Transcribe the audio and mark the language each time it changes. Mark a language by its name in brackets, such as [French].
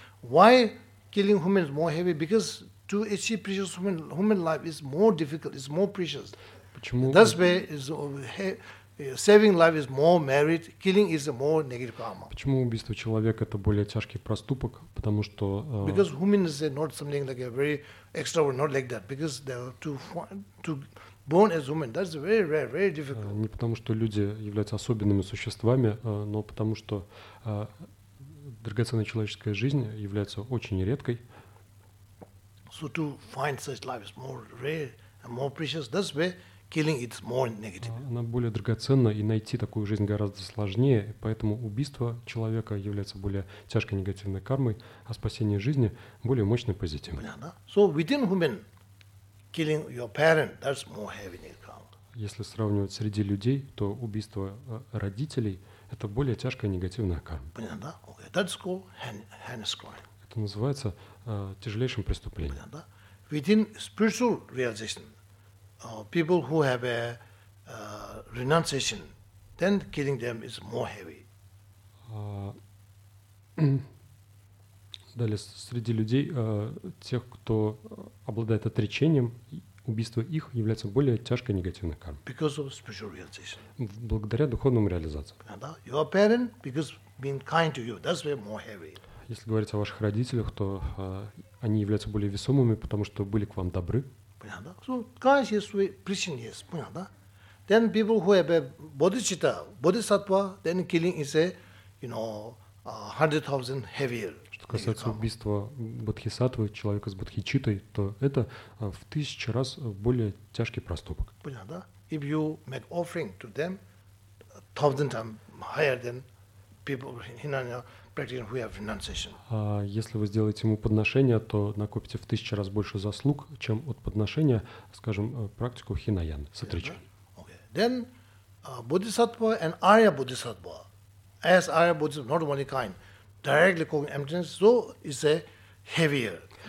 [English] Why killing human is more heavy? Because to achieve precious human life is more difficult, is more precious. [Russian] Почему? [English] That's why is saving life is more merit, killing is a more negative karma. [Russian] Почему убийство человека это более тяжкий проступок? Потому что [English] because human is not something like a very extraordinary, not like that. Because they are to born as human, that's very rare, very difficult. [Russian] Не потому что люди являются особенными существами, но потому что драгоценная человеческая жизнь является очень редкой. [English] So to find such life is more rare and more precious. That's why killing it's more negative. [Russian] Она более драгоценна, и найти такую жизнь гораздо сложнее, поэтому убийство человека является более тяжкой негативной кармой, а спасение жизни более мощной позитивной. Понятно? [English] So within human, killing your parent, that's more heavy negative karma. [Russian] Если сравнивать среди людей, то убийство родителей – это более тяжкая негативная карма. Понятно? [English] Okay. That's called heinous crime. [Russian] Это называется тяжелейшим преступлением. Понятно? [English] Within spiritual realization, people who have a renunciation, then killing them is more heavy. [Russian] Далее, среди людей, тех, кто обладает отречением, убийство их является более тяжкой негативной кармой. [English] Because of spiritual realization. [Russian] Благодаря духовному реализации. Понятно? [English] Your parent, because being kind to you, that's why more heavy. [Russian] Если говорить о ваших родителях, то они являются более весомыми, потому что были к вам добры. [English] Понятно? So, kind is sweet, preaching is, [Russian] понятно? [English] Then people who have bodhicitta, bodhisattva, then killing is, you know, 100,000 heavier. [Russian] Что касается убийства бодхисаттвы, человека с бодхичиттой, то это в тысячу раз более тяжкий проступок. Понятно? [English] If you make offering to them, 1,000 times higher than people in Hinayana, [Russian] Если вы сделаете ему подношение, то накопите в тысячу раз больше заслуг, чем от подношения, скажем, практику хинаян, сатричан. [English] Then bodhisattva and arya bodhisattva, as arya bodhisattva, not only kind, directly causing emptiness, so is a heavier.